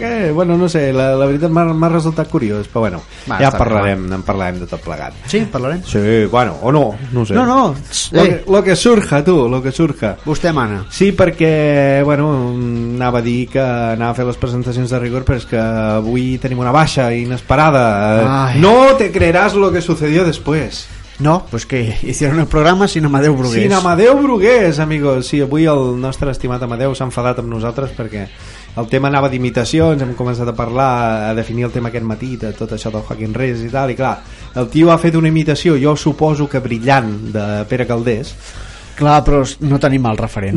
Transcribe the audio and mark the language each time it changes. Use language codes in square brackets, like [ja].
[ca] bueno, no sé, la veritat m'ha resultat curiós, però bueno, va, ja parlarem bé, en parlarem de tot plegat. Sí, parlarem, sí, bueno, o no sé. No, [es] lo que surja, [ca] vostè mana. Sí, perquè bueno, anava a dir que anava a fer les presentacions de rigor, però és que avui tenim una baixa inesperada. Ai. [es] No te creeràs lo que sucedió después. No, pues que hicieron el programa sin Amadeu Brugués. Sin Amadeu Brugués, amigos. [ca] Sí, avui el nostre estimat Amadeu s'ha enfadat amb nosaltres perquè el tema anava d'imitacions, hem començat a parlar, a definir el tema aquest matí, de tot això del Joaquín Reyes i tal, i clar, el tio ha fet una imitació, jo suposo que brillant, de Pere Calders. Clar, però no tenim el referent.